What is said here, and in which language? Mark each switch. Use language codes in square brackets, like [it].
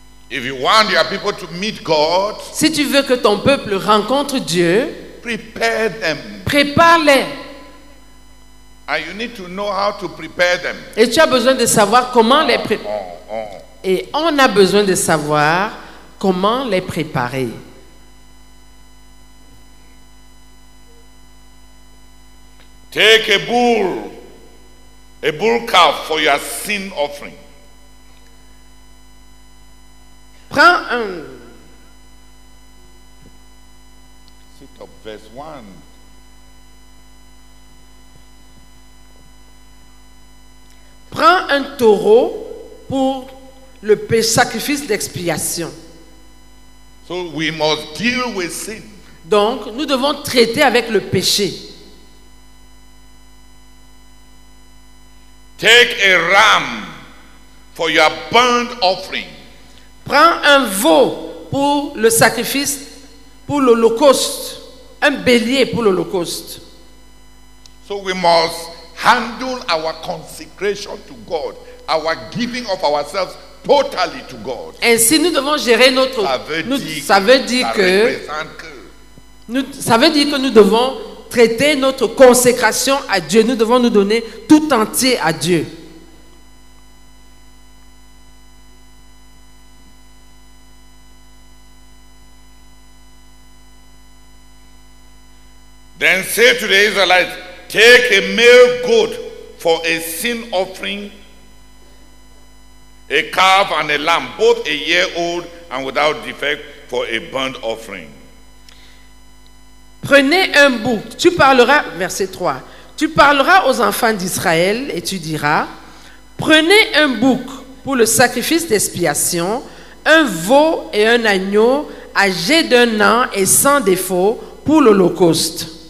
[en] If you want your people to meet God, [fr] si tu veux que ton peuple rencontre Dieu, [en] prepare them. [fr] Prépare-les. [en] And you need to know how to prepare them. [fr] Et tu as besoin de savoir comment les préparer. Et on a besoin de savoir comment les préparer. [en] Take a bull calf for your sin offering. [fr] Prends un. [en] Sit up, verse 1. [fr] prend un taureau pour le sacrifice d'expiation. [en] So we must deal with sin. [fr] Donc, nous devons traiter avec le péché. [en] Take a ram for your burnt offering. [fr] Prends un veau pour le sacrifice, pour l'holocauste, un bélier pour l'holocauste. [en] So we must handle our consecration to God, our giving of ourselves totally to God. [fr] Ainsi, nous devons gérer notre. Ça veut dire que nous devons traiter notre consécration à Dieu. Nous devons nous donner tout entier à Dieu. [en] Then say to the Israelites, take a male goat for a sin offering, a calf and a lamb, both a year old and without defect, for a burnt offering. [fr] Prenez un bouc. Tu parleras, verset 3, tu parleras aux enfants d'Israël et tu diras, prenez un bouc pour le sacrifice d'expiation, un veau et un agneau âgé d'un an et sans défaut pour l'holocauste.